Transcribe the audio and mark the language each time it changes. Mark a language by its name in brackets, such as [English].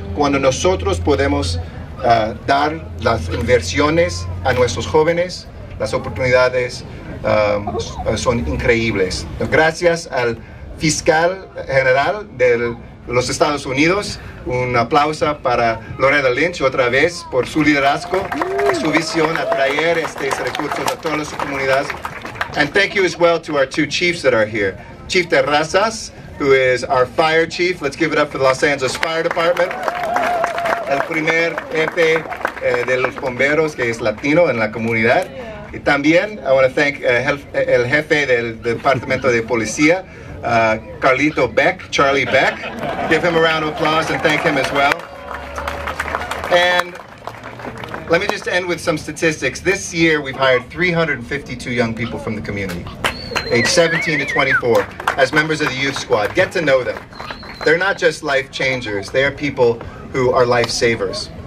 [Spanish] Cuando nosotros podemos dar las inversiones a nuestros jóvenes, las oportunidades son increíbles. Gracias al fiscal general de los Estados Unidos, un aplauso para Loretta Lynch otra vez por su liderazgo y su visión a traer estos recursos a todas las comunidades. [English] And thank you as well to our two chiefs that are here. Chief Terrazas, who is our fire chief. Let's give it up for the Los Angeles Fire Department. [Spanish] El primer jefe de los bomberos que es latino en la comunidad. Y también, [English] I want to thank [Spanish] el jefe del Departamento de Policía, Carlito Beck, Charlie Beck. [English] Give him a round of applause and thank him as well. And let me just end with some statistics. This year, we've hired 352 young people from the community, age 17 to 24, as members of the youth squad. Get to know them. They're not just life changers. They are people who are lifesavers.